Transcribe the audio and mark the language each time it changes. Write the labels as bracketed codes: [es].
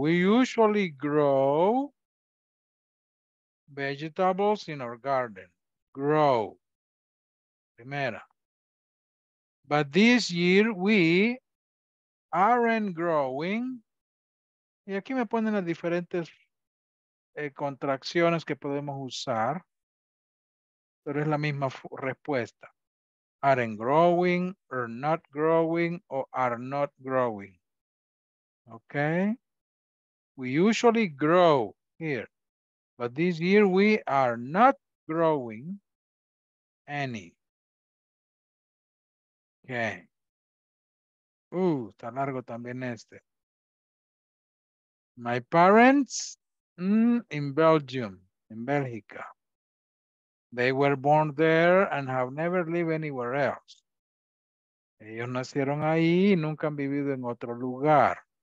[en] We usually grow vegetables in our garden. Grow. [es] Primera. [en] But this year we aren't growing. [es] Y aquí me ponen las diferentes contracciones que podemos usar. Pero es la misma respuesta. [en] Aren't growing, are not growing, or are not growing. Okay. We usually grow here. But this year we are not growing any. [es] Okay. Está largo también este. [en] My parents in Belgium, in Bélgica. They were born there and have never lived anywhere else. [es] Ellos nacieron ahí y nunca han vivido en otro lugar.